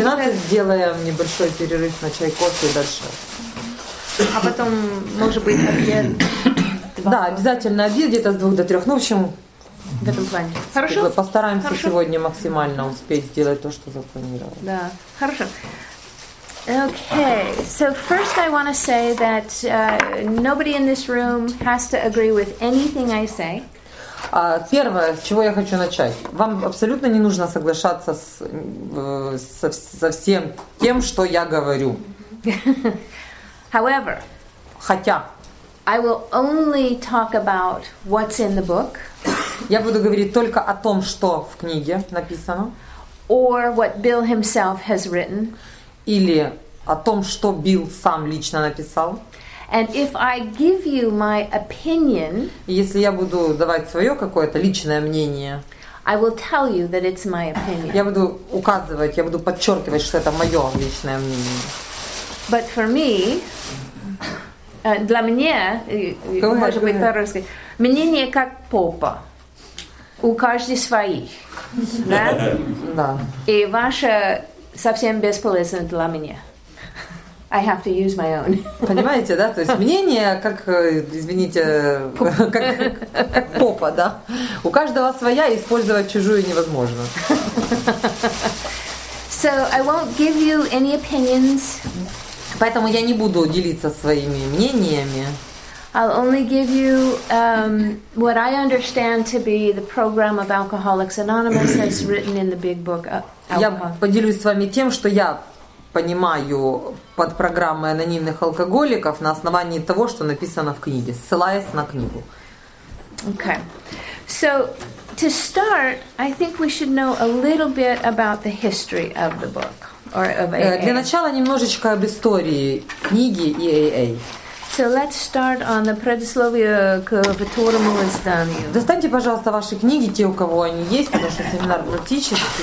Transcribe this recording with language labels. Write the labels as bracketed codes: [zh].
[ru] 12 сделаем небольшой перерыв на чай, кофе и дальше. А потом, может быть, обед. Да, обязательно обед где-то с 2 до 3. Ну, в общем, в этом плане. Хорошо. Постараемся хорошо сегодня максимально успеть сделать то, что запланировано. Да, хорошо. [en] Okay, so first I want to say that nobody in this room has to agree with anything I say. [ru] Первое, с чего я хочу начать. Вам абсолютно не нужно соглашаться со всем тем, что я говорю. [en] However, [ru] хотя, [en] I will only talk about what's in the book. [ru] Я буду говорить только о том, что в книге написано. [en] Or what Bill himself has written. [ru] Или о том, что Билл сам лично написал. [en] And if I give you my opinion, [ru] если я буду давать свое какое-то личное мнение, [en] I will tell you that it's my opinion. [ru] Я буду указывать, я буду подчеркивать, что это мое личное мнение. [en] But for me, [ru] для меня, может быть, по-русски, мнение как попа. У каждого свои. Да? Да. И ваше совсем бесполезно для меня. [en] I have to use my own. [ru] Понимаете, да? То есть мнение как, извините, как попа, да? У каждого своя, использовать чужую невозможно. [en] So I won't give you any opinions. [ru] Поэтому я не буду делиться своими мнениями. [en] I'll only give you what I understand to be the program of Alcoholics Anonymous that's written in the big book. [ru] Я поделюсь с вами тем, что я понимаю под программой анонимных алкоголиков на основании того, что написано в книге, ссылаясь на книгу. [en] Okay. So, to start, I think we should know a little bit about the history of the book, or of AA. [ru] Для начала немножечко об истории книги и AA. [en] So, let's start on the [ru] предисловие к второму изданию. Достаньте, пожалуйста, ваши книги, те, у кого они есть, потому что семинар практический.